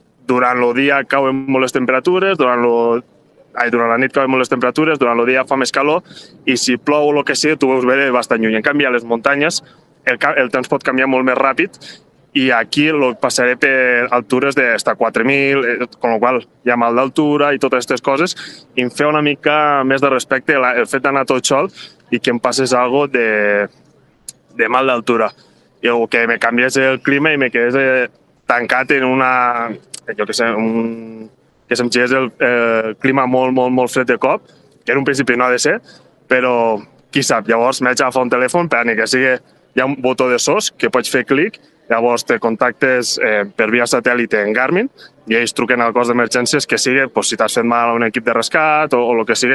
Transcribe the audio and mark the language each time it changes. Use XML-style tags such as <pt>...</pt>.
<ca>durant el dia cauen molt les temperatures, durant la nit cauen molt les temperatures, durant el dia fa més calor i si plou o el que sigui, tu veus bé bastant lluny. En canvi, a les muntanyes el temps pot canviar molt més ràpid i aquí lo passaré per altures d'estar 4.000,</ca> <es>con lo qual</es> <ca>hi ha mal d'altura i totes aquestes coses, i em feia una mica més de respecte el fet d'anar tot sol,</ca> <es>y que me pases algo de mal de altura. O que me cambies el clima y me quedes tancat en una...</es> <ca>Jo que sé, que se'm girés el clima molt, molt, molt fred de cop, que en un principi no ha de ser, però qui sap. Llavors m'he agafat un telèfon, però ni que sigui, hi ha un botó de SOS que pots fer clic, llavors te contactes per via satèl·lite en Garmin i ells truquen al cos d'emergències, que sigui pues, si t'has fet mal a un equip de rescat o el que sigui.</ca>